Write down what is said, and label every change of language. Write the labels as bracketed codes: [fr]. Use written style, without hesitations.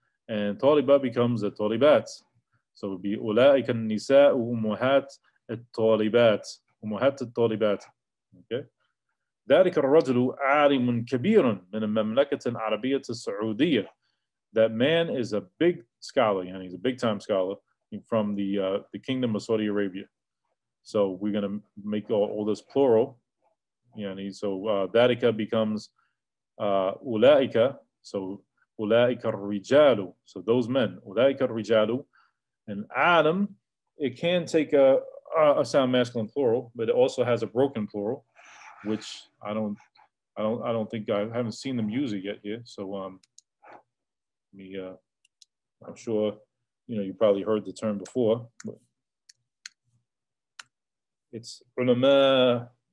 [en] And طالبة becomes the طالبات. So it would be [ar] أولائك النساء أمهات الطالبات. أمهات الطالبات. Okay. ذلك الرجل عالم كبير من المملكة العربية السعودية. [en] That man is a big scholar, and he's a big time scholar from the kingdom of Saudi Arabia. So we're going to make all this plural. [ar] ذلك becomes أولائك. So أولائك الرجال. [en] So those men. [ar] أولائك الرجال. [en] And عالم, it can take a sound masculine plural, but it also has a broken plural, which I haven't seen them use it yet here. So I'm sure you probably heard the term before, but it's ulama.